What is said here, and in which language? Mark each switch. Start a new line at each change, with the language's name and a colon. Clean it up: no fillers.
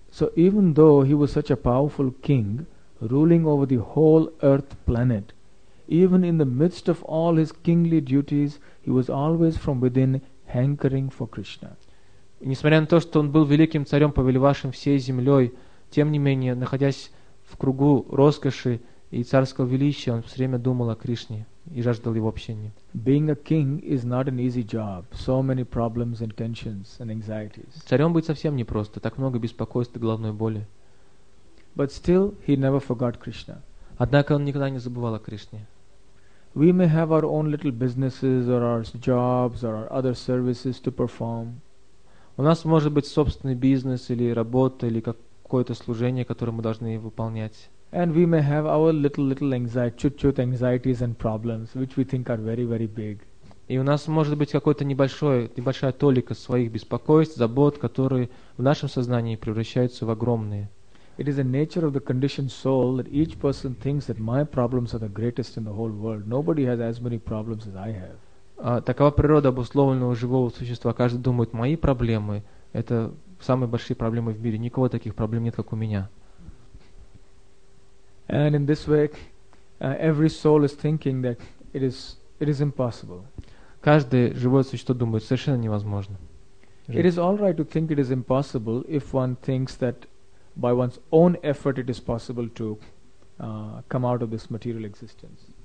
English: So even though he was such a powerful king, ruling over the whole earth planet, even in the midst of all his kingly duties, he was always from within hankering for Krishna.
Russian: Несмотря на то, что он был великим царем, повелевавшим всей землей, тем не менее, находясь в кругу роскоши и царского величия, он все время думал о Кришне и жаждал его общения.
English: Being a king is not an easy job. So many problems and tensions and anxieties.
Russian: Царем быть совсем непросто. Так много беспокойств и головной боли.
English: But still, he never forgot Krishna.
Russian: Однако он никогда не забывал о Кришне.
English: We may have our own little businesses or our jobs or our other services to perform.
Russian: У нас может быть собственный бизнес или работа или какое-то служение, которое мы должны выполнять.
English: And we may have our little anxiety, chut-chut anxieties and problems, which we think are very, very big.
Russian: И у нас может быть какое-то небольшая толика своих беспокойств, забот, которые в нашем сознании превращаются в огромные.
English: It is the nature of the conditioned soul that each person thinks that my problems are the greatest in the whole world. Nobody has as many problems as I have.
Russian: Такова природа обусловленного живого существа. Каждый думает, мои проблемы — это самые большие проблемы в мире. Никого таких проблем нет, как у меня.
English: And in this way, every soul is thinking that it is impossible.
Russian: Каждое живое существо думает, совершенно невозможно.
English: It is all right to think it is impossible if one thinks that by one's own effort it is possible to come out of this material existence.